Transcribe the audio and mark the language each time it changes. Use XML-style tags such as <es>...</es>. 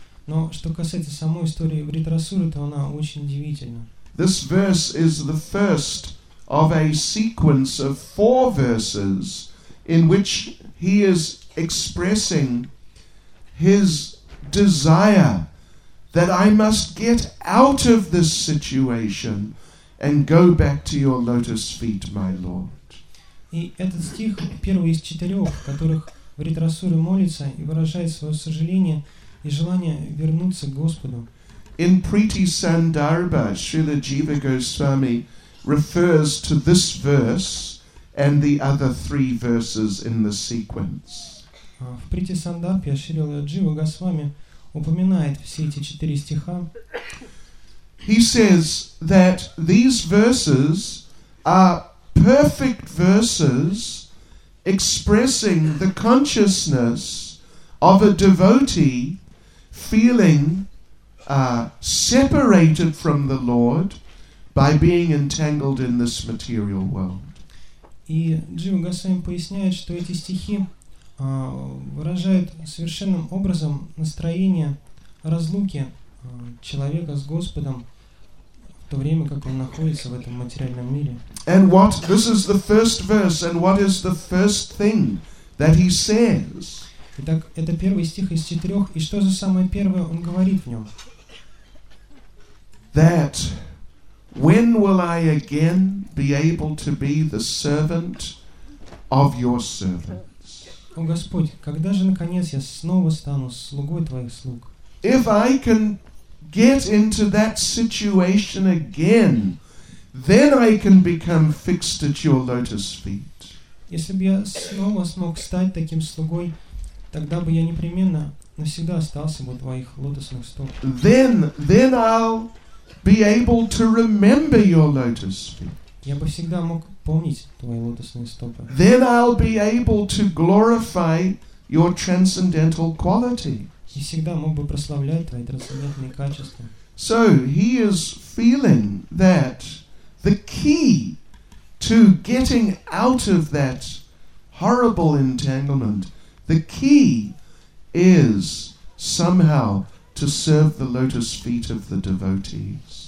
<ru>Но что касается самой истории Вритрасуры, то она очень удивительна.</ru> <en>This verse is the first of a sequence of 4 verses in which he is expressing his desire that I must get out of this situation and go back to your lotus feet, my Lord.</en> <ru>И этот стих, первый из 4, в которых Вритрасура молится и выражает свое сожаление и желание вернуться к Господу.</ru> <en>In Priti Sandarbha, Srila Jiva Goswami refers to this verse and the other 3 verses in the sequence.</en> <ru>В Прити Сандарбе Шрила Джива Госвами упоминает все эти 4 стиха.</ru> <en>He says that these verses are perfect verses expressing the consciousness of a devotee feeling separated from the Lord, by being entangled in this material world.</en> <ru>И Джива Госвами поясняет, что эти стихи выражают совершенным образом настроение разлуки человека с Господом в то время, как он находится в этом материальном мире.</ru> <en>And what this is the first verse, and what is the first thing that he says?</en> <ru>Итак, это первый стих из четырех, и что за самое первое он говорит в нем?</ru> <en>That when will I again be able to be the servant of your servants?</en> <ru>О Господь, когда же наконец я снова стану слугой твоих слуг?</ru> <en>If I can get into that situation again, then I can become fixed at your lotus feet.</en> <ru>Если бы я снова смог стать таким слугой, тогда бы я непременно навсегда остался бы у твоих лотосных стоп.</ru> <en>Then I'll be able to remember your lotus feet.</en> <ru>Я бы всегда мог помнить твои лотосные стопы.</ru> <en>Then I'll be able to glorify your transcendental quality.</en> <ru>Я всегда мог бы прославлять твои трансцендентные качества.</ru> <en>So he is feeling that the key to getting out of that horrible entanglement, the key is somehow to serve the lotus feet of the devotees.</en>